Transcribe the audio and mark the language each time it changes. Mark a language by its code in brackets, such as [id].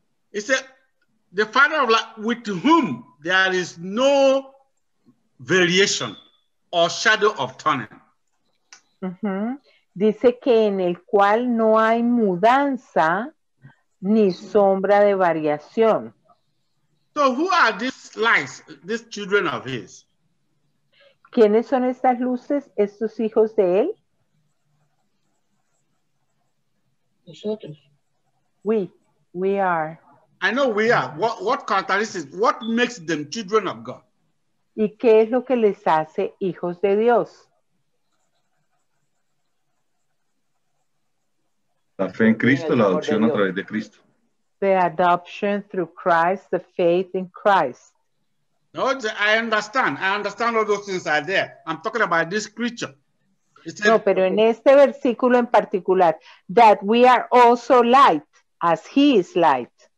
[en] It said, the Father of light, with whom there is no variation or shadow of turning. Uh-huh. [es] Dice que en el cual no hay mudanza ni sombra de variación. [en] So who are these lights, these children of his? [es] ¿Quiénes son estas luces, estos hijos de él? Nosotros. [en] We are. I know we are. What characteristics, what makes them children of God? [es] ¿Y qué es lo que les hace hijos de Dios? La fe en Cristo, la adopción a través de Cristo. [en] The adoption through Christ, the faith in Christ. No, I understand. I understand all those things are there. I'm talking about this creature. [es] No, pero en este versículo en particular, [en] that we are also light as he is light.